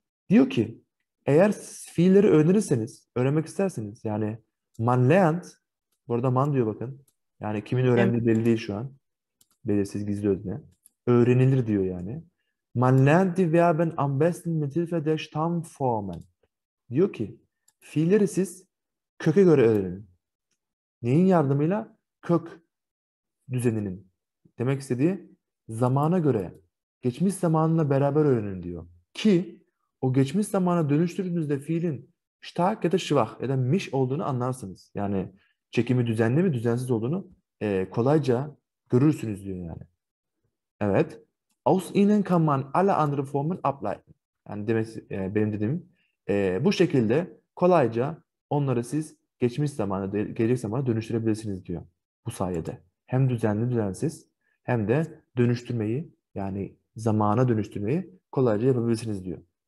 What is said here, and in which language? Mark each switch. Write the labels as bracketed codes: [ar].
[tr] Diyor ki eğer fiilleri öğrenirseniz, öğrenmek isterseniz yani [de] man lernt, [tr] burada man diyor bakın. Yani kimin öğrendiği belli değil şu an. Belirsiz gizli özne. Öğrenilir diyor yani. [de] Man lernt die Verben am besten mit Hilfe der Stammformen. [tr] Diyor ki fiilleri siz köke göre öğrenin. Neyin yardımıyla? Kök düzeninin. Demek istediği zamana göre, geçmiş zamanla beraber öğrenin diyor. Ki o geçmiş zamana dönüştürdüğünüzde fiilin stark ya da schwach ya da miş olduğunu anlarsınız. Yani çekimi düzenli mi düzensiz olduğunu kolayca görürsünüz diyor yani. Evet. [de] Aus ihnen kann man alle andere Formen ableiten. [tr] Yani demesi, benim dediğim bu şekilde kolayca onları siz geçmiş zamana, gelecek zamana dönüştürebilirsiniz diyor bu sayede. Hem düzenli düzensiz hem de dönüştürmeyi yani zamana dönüştürmeyi kolayca yapabilirsiniz diyor.